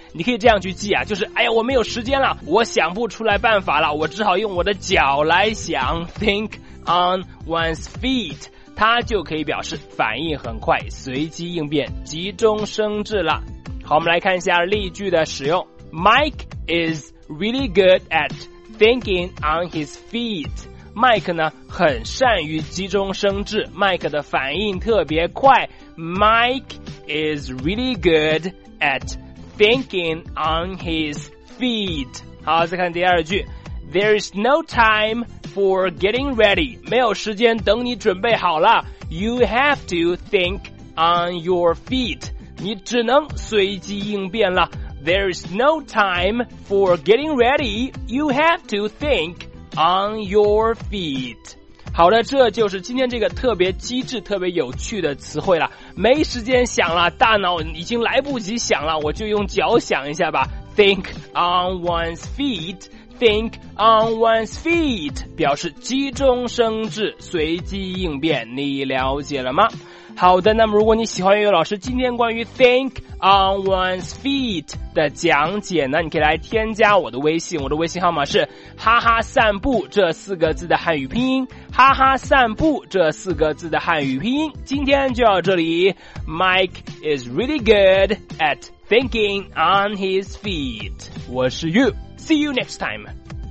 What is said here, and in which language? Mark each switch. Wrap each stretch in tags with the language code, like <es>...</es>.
<zh>你可以这样去记啊，就是哎呀，我没有时间了，我想不出来办法了，我只好用我的脚来想。</zh> <en>Think on one's feet，</en> <zh>它就可以表示反应很快，随机应变，急中生智了。好，我们来看一下例句的使用。</zh> <en>Mike is really good at thinking on his feet。</en> <zh>Mike 呢很善于急中生智， Mike 的反应特别快。</zh> <en>Mike is really good at thinking on his feet。</en> <zh>好，再看第二句。</zh> <en>There is no time for getting ready，</en> <zh>没有时间等你准备好了。</zh> <en>You have to think on your feet，</en> <zh>你只能随机应变了。</zh> <en>There is no time for getting ready， You have to think on your feet。</en> <zh>好的，这就是今天这个特别机智特别有趣的词汇了。没时间想了，大脑已经来不及想了，我就用脚想一下吧。</zh> <en>Think on one's feet，</en> <zh>Think on one's feet， 表示急中生智，随机应变，你了解了吗？好的，那么如果你喜欢悠悠老师今天关于</zh> <en>Think on one's feet</en> <zh>的讲解呢，你可以来添加我的微信，我的微信号码是哈哈散步这四个字的汉语拼音，哈哈散步这四个字的汉语拼音。今天就到这里，</zh> <en>Mike is really good at thinking on his feet。</en> <zh>我是</zh> <en>You， See you next time。</en>